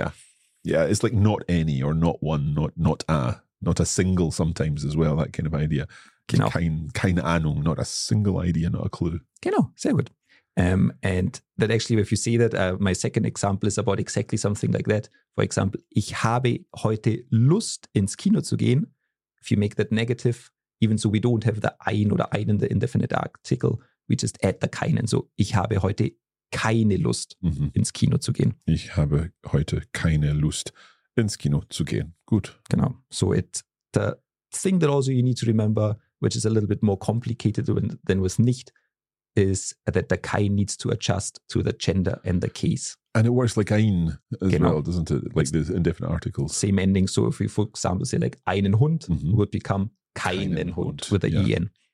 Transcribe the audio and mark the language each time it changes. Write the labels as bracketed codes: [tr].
[en] Yeah. Yeah, it's like not any or not one, not a. Not a single sometimes as well, that kind of idea. [de] Genau. Keine Ahnung, [en] not a single idea, not a clue. [de] Genau, sehr gut. [en] And that actually, if you see that, my second example is about exactly something like that. For example, [de] ich habe heute Lust ins Kino zu gehen. [en] If you make that negative, even so we don't have the ein oder ein in the indefinite article, we just add the keinen. [de] So ich habe heute keine Lust ins Kino zu gehen. Ich habe heute keine Lust ins Kino zu gehen. Gut. Genau. [en] So the thing that also you need to remember, which is a little bit more complicated than with nicht, is that the kein needs to adjust to the gender and the case. And it works like ein as [de] genau. [en] Well, doesn't it? Like it's the indefinite articles. Same ending. So if we, for example, say like [de] einen Hund, [en] would become [de] keinen Hund [en] with a en.